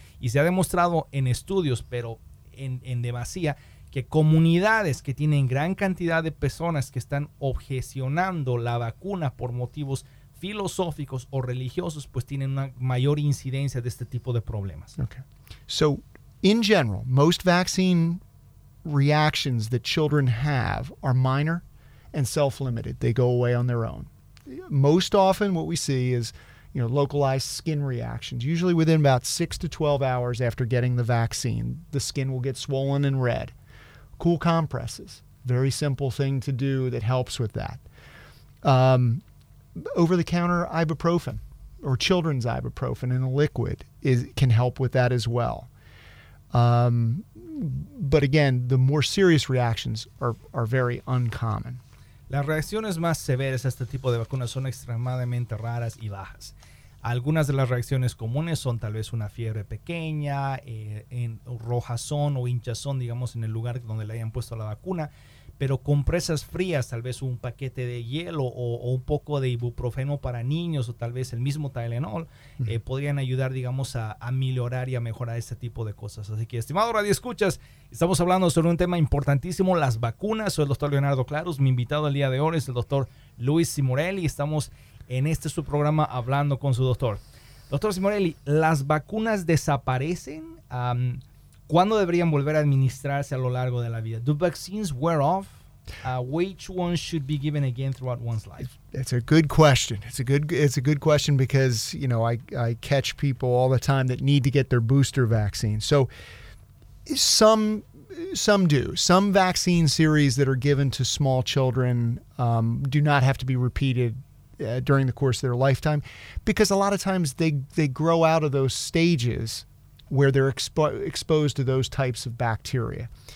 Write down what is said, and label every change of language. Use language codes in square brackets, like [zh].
[es] y se ha demostrado en estudios, pero en demasía, que comunidades que tienen gran cantidad de personas que están objecionando la vacuna por motivos filosóficos o religiosos, pues tienen una mayor incidencia de este tipo de problemas. [en] Okay. So, in general, most vaccine reactions that children have are minor and self-limited. They go away on their own. Most often what we see is, you know, localized skin reactions, usually within about 6 to 12 hours after getting the vaccine. The skin will get swollen and red. Cool compresses, very simple thing to do that helps with that. Over-the-counter ibuprofen or children's ibuprofen in a liquid can help with that as well. But again, the more serious reactions are very uncommon. [es] Las reacciones más severas a este tipo de vacunas son extremadamente raras y bajas. Algunas de las reacciones comunes son tal vez una fiebre pequeña, en rojazón o hinchazón, digamos, en el lugar donde le hayan puesto la vacuna, pero compresas frías, tal vez un paquete de hielo o un poco de ibuprofeno para niños o tal vez el mismo Tylenol, podrían ayudar, digamos, a mejorar y a mejorar este tipo de cosas. Así que, estimado radioescuchas, estamos hablando sobre un tema importantísimo, las vacunas. Soy el doctor Leonardo Claros, mi invitado el día de hoy es el doctor Luis Cimorelli. Estamos en este su programa hablando con su doctor. Doctor Cimorelli, ¿las vacunas desaparecen? ¿Cuándo deberían volver a administrarse a lo largo de la vida? [en] Do vaccines wear off? Which one should be given again throughout one's life? It's a good question. It's a good question because, you know, I catch people all the time that need to get their booster vaccine. So some do. Some vaccine series that are given to small children do not have to be repeated during the course of their lifetime, because a lot of times they grow out of those stages where they're exposed to those types of bacteria.